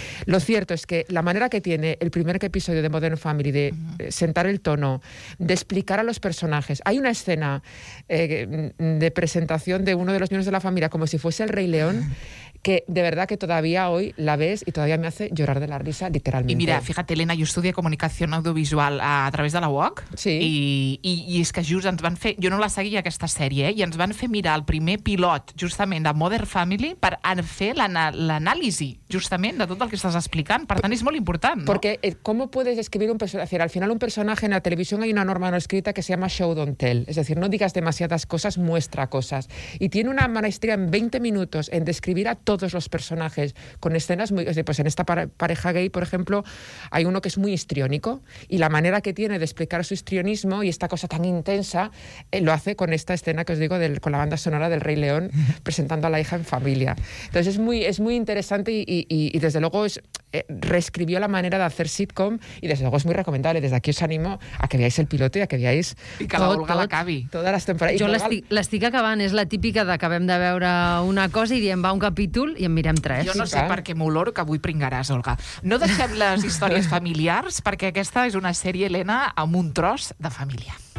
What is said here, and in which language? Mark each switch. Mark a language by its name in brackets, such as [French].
[Spanish] Lo cierto es que la manera que tiene el primer episodio de Modern Family de sentar el tono, de explicar a los personajes. Hay una escena de presentación de uno de los miembros de la familia como si fuese el Rey León, que de verdad que todavía hoy la ves y todavía me hace llorar de la risa, literalmente. Y mira, fíjate, Elena, yo estudié comunicación audiovisual a través de la UOC. Sí. [Catalan] I és que just ens van fer... Jo no la seguia, aquesta sèrie, i ens van fer mirar el primer pilot, justament, de Modern Family per fer l'anàlisi, justament, de tot el que estàs explicant. Per tant, és molt important, no? [Spanish] Porque, ¿cómo puedes escribir un personaje? Al final, un personaje en la televisión hay una norma no escrita que se llama [English] show, don't tell. [Spanish] Es decir, no digas demasiadas cosas, muestra cosas. Y tiene una maestría en 20 minutos en describir a todos los personajes con escenas muy... Pues en esta pareja gay, por ejemplo, hay uno que es muy histriónico y la manera que tiene de explicar su histrionismo y esta cosa tan intensa lo hace con esta escena que os digo con la banda sonora del Rey León presentando a la hija en familia. Entonces es muy interesante y desde luego es... reescribió la manera de hacer sitcom y desde luego es muy recomendable. Desde aquí os animo a que veáis el piloto y a que veáis [Catalan] i que la Olga l'acabi. [Spanish] Todas las temporadas. [Catalan] Jo l'estic acabant. És la típica de que acabem de veure una cosa i diem va un capítol i en mirem tres. Jo no sé per què m'oloro que avui pringaràs, Olga. No deixem les històries familiars perquè aquesta és una sèrie, Elena, amb un tros de família.